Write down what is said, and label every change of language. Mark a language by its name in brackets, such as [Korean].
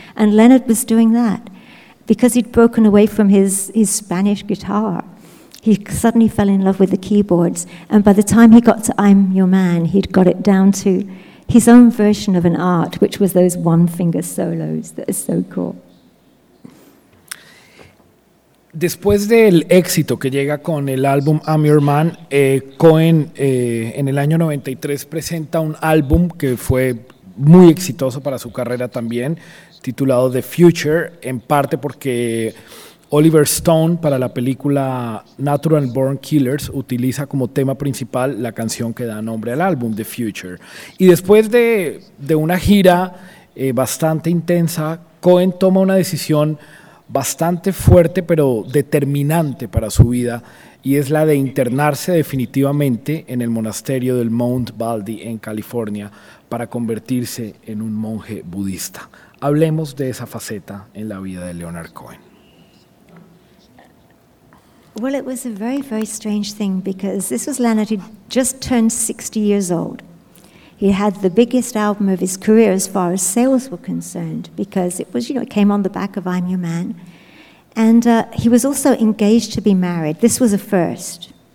[English] And Leonard was doing that. Because he'd broken away from his Spanish guitar, he suddenly fell in love with the keyboards, and by the time he got to I'm Your Man, he'd got it down to his own version of an art, which was those one-finger solos that are so cool. [Spanish] Después del éxito que llega con el álbum I'm Your Man, Cohen en el año 93 presenta un álbum que fue muy exitoso para su carrera también, titulado The Future, en parte porque Oliver Stone para la película Natural Born Killers utiliza como tema principal la canción que da nombre al álbum, The Future. Y después de una gira bastante intensa, Cohen toma una decisión bastante fuerte pero determinante para su vida, y es la de internarse definitivamente en el monasterio del Mount Baldy en California para convertirse en un monje budista. Hablemos de esa faceta en la vida de Leonard Cohen. [English] Well, it was a very, very strange thing, because this was Leonard, who just turned 60 years old. He had the biggest album of his career as far as sales were concerned, because it was, you know, it came on the back of I'm Your Man. And he was also engaged to be married. This was a first.